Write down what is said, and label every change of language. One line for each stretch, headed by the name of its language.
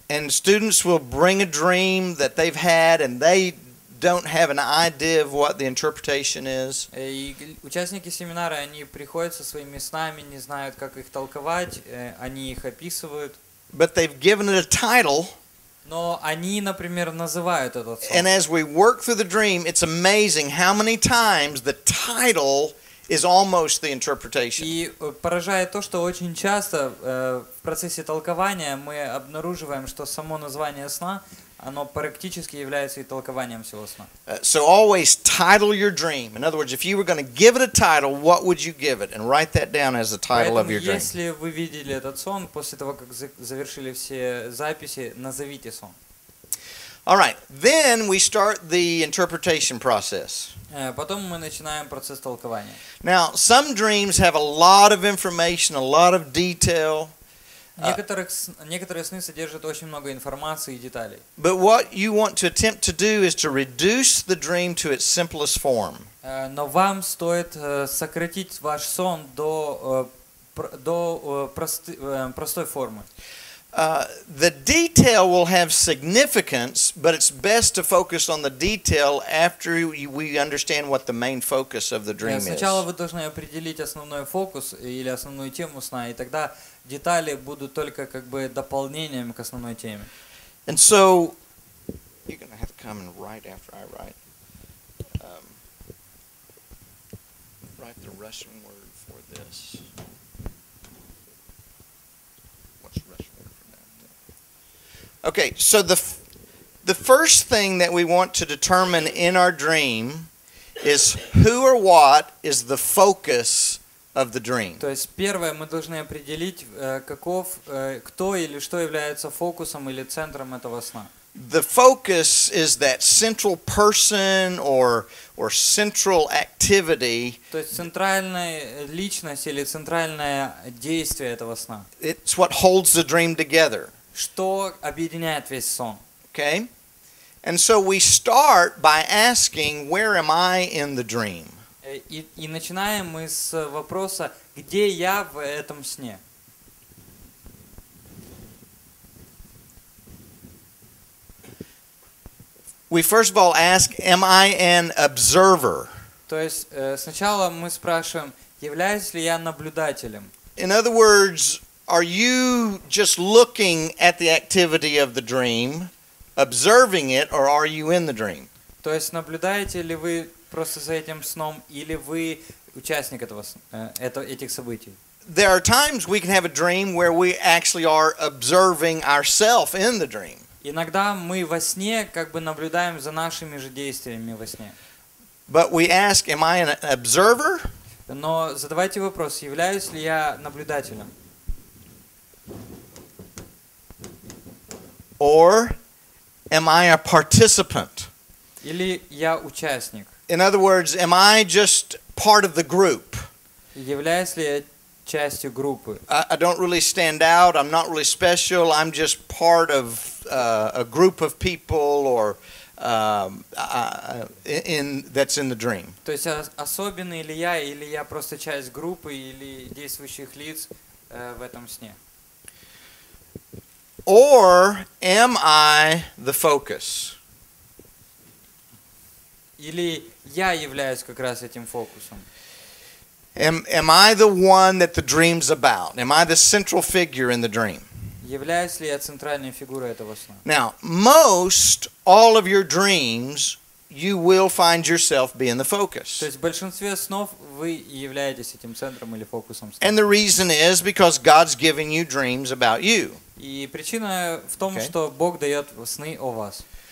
English: And students will bring a dream that they've had and they don't have an idea of what the interpretation is.
Russian: И участники семинара, они приходят со своими снами, не знают, как их толковать, они их описывают.
English: But they've given it a title.
Russian: Но они, например, называют этот сон.
English: And as we work through the dream, it's amazing how many times the title is almost the interpretation.
Russian: И поражает то, что очень часто в процессе толкования мы обнаруживаем, что само название сна, оно практически является и толкованием всего сна.
English: So always title your dream. In other words, if you were going to give it a title, what would you give it? And write that down as the title
Russian: Поэтому,
English: of your dream.
Russian: Если вы видели этот сон, после того, как завершили все записи, назовите сон.
English: All right. Then we start the interpretation process.
Russian: Потом мы начинаем процесс толкования.
English: Now, some dreams have a lot of information, a lot of detail.
Russian: Некоторые сны содержат очень много информации и деталей.
English: But what you want to attempt to do is to reduce the dream to its simplest form.
Russian: Но вам стоит сократить ваш сон до простой формы.
English: The detail will have significance, but it's best to focus on the detail after we understand what the main focus of the dream is.
Russian: Сначала вы должны определить основной фокус или основную тему сна, и тогда детали будут только как бы дополнением к основной теме.
English: And so, you're going to have to come and write after I write. Write the Russian word for this. What's Russian word for that? Okay, so the first thing that we want to determine in our dream is who or what is the focus of the dream.
Russian: То есть первое мы должны определить каков кто или что является фокусом или центром этого сна.
English: The focus is that central person or central activity.
Russian: То есть центральная личность или центральное действие этого сна.
English: It's what holds the dream together.
Russian: Что объединяет весь сон.
English: Okay? And so we start by asking where am I in the dream?
Russian: И начинаем мы с вопроса, где я в этом сне?
English: We first of all ask, am I an observer?
Russian: То есть сначала мы спрашиваем, являюсь ли я наблюдателем?
English: In other words, are you just looking at the activity of the dream, observing it, or are you in the dream?
Russian: То есть наблюдаете ли вы просто за этим сном, или вы участник этих событий?
English: There are times we can have a dream where we actually are observing ourselves in the dream.
Russian: Иногда мы во сне как бы наблюдаем за нашими же действиями во сне.
English: But we ask, am I an observer?
Russian: Но задавайте вопрос, являюсь ли я наблюдателем?
English: Or am I a participant?
Russian: Или я участник?
English: In other words, am I just part of the group?
Russian: Являюсь ли я частью группы?
English: I don't really stand out. I'm not really special. I'm just part of a group of people that's in the dream.
Russian: То есть особенный ли я, или я просто часть группы или действующих лиц в этом сне?
English: Or am I the focus?
Russian: Или я являюсь как раз этим фокусом.
English: Am I the one that the dream's about? Am I the central figure in the dream?
Russian: Являюсь ли я центральной фигурой этого сна?
English: Now, most all of your dreams, you will find yourself being the focus.
Russian: То есть в большинстве снов вы являетесь этим центром или фокусом сна.
English: And the reason is because God's giving you dreams about you.
Russian: И причина в том, что Бог дает сны о вас.